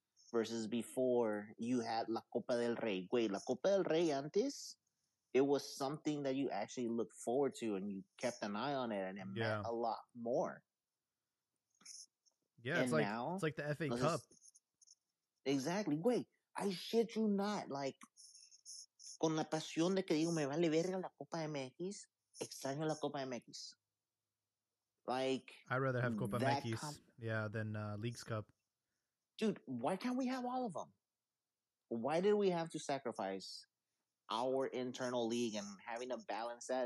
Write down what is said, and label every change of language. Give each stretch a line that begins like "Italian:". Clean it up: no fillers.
English: Versus before, you had la Copa del Rey. Wait, la Copa del Rey antes, it was something that you actually looked forward to and you kept an eye on it and it meant a lot more. Yeah, it's like, now, it's like the FA Cup. Exactly. Wait, I shit you not.
Spanish: Like, con la pasión de que digo, me vale verga la Copa MX, extraño la Copa MX.
English: Like, I'd rather have Copa MX, than Leagues Cup. Dude, why can't we have all of them? Why did we have to sacrifice our internal league and having to balance that?